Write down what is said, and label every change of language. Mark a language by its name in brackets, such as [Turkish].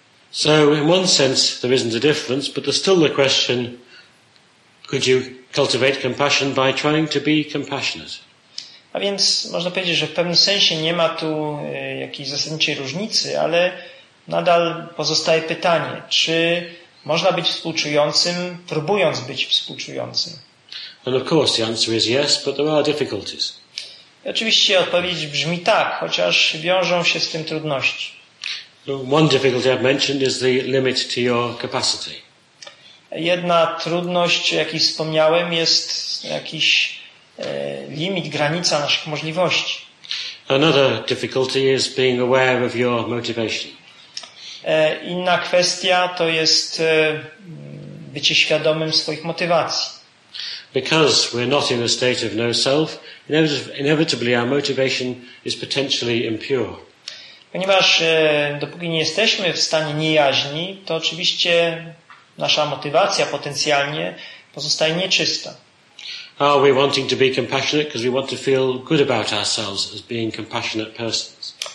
[English] So in one sense there isn't a difference, but there's still the question, could you cultivate compassion by trying to be compassionate? [Polish] A więc można powiedzieć, że w pewnym sensie nie ma tu jakiejś zasadniczej różnicy, ale nadal pozostaje pytanie, czy można być współczującym, próbując być współczującym? [English] And of course the answer is yes, but there are difficulties. [Polish] I oczywiście odpowiedź brzmi tak, chociaż wiążą się z tym trudności. [English] One difficulty I've mentioned is the limit to your capacity. [Polish] Jedna trudność, jak i wspomniałem, jest jakiś limit, granica naszych możliwości. [English] Another difficulty is being aware of your motivation. [Polish] Inna kwestia to jest bycie świadomym swoich motywacji. [English] Because we're not in a state of no self, inevitably our motivation is potentially impure. [Polish] Ponieważ dopóki nie jesteśmy w stanie niejaźni, to oczywiście nasza motywacja potencjalnie pozostaje nieczysta. [English] Are we wanting to be compassionate because we want to feel good about ourselves as being compassionate persons?